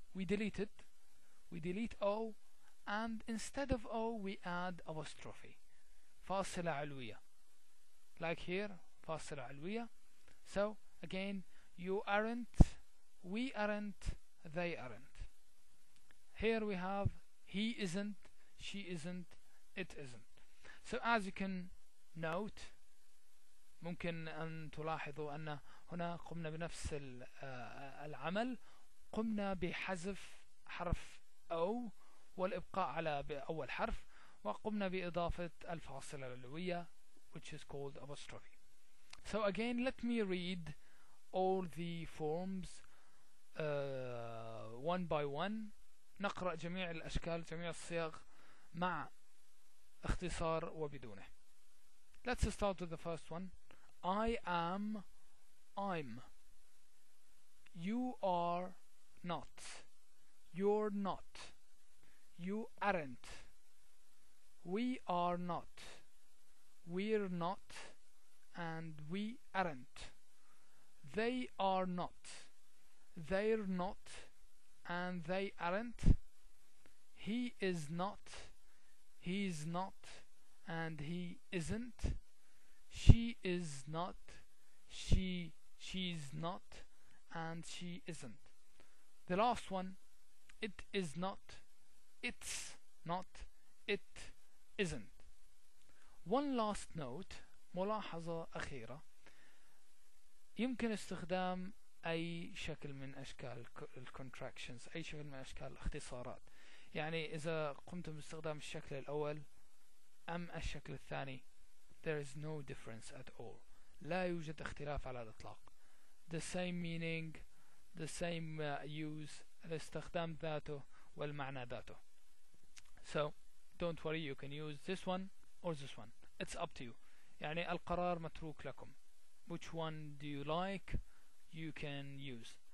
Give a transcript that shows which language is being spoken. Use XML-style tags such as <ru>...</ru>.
<en>We delete it, we delete O, and instead of O, we add apostrophe,</en> <ar>فاصلة علوية.</ar> <en>Like here,</en> <ar>فاصلة علوية.</ar> <en>So, again, you aren't, we aren't, they aren't. Here we have, he isn't, she isn't, it isn't. So, as you can note,</en> <ar>ممكن أن تلاحظوا أن هنا قمنا بنفس العمل, قمنا بحذف حرف O, والإبقاء على بأول حرف, وقمنا بإضافة الفاصلة العلوية,</ar> <en>which is called apostrophe. So again, let me read all the forms one by one.</en> <ar>نقرأ جميع الأشكال, جميع الصيغ مع اختصار وبدونه.</ar> <en>Let's start with the first one. I am, I'm. You are not. You're not. You aren't. We are not. We're not. And we aren't. They are not. They're not. And they aren't. He is not. He's not. And he isn't. She is not. She's not. And she isn't. The last one. It is not. It's not, it isn't. One last note,</en> <ar>ملاحظة أخيرة. يمكن استخدام أي شكل من أشكال contractions, أي شكل من أشكال الاختصارات. يعني إذا قمتم باستخدام الشكل الأول أم الشكل الثاني,</ar> <en>there is no difference at all.</en> <ar>لا يوجد اختلاف على الإطلاق.</ar> <en>The same meaning, the same use,</en> <ar>الاستخدام ذاته والمعنى ذاته.</ar> <en>So, don't worry, you can use this one or this one. It's up to you.</en> <ar>يعني القرار متروك لكم.</ar> <en>which one do you like you can use.</en>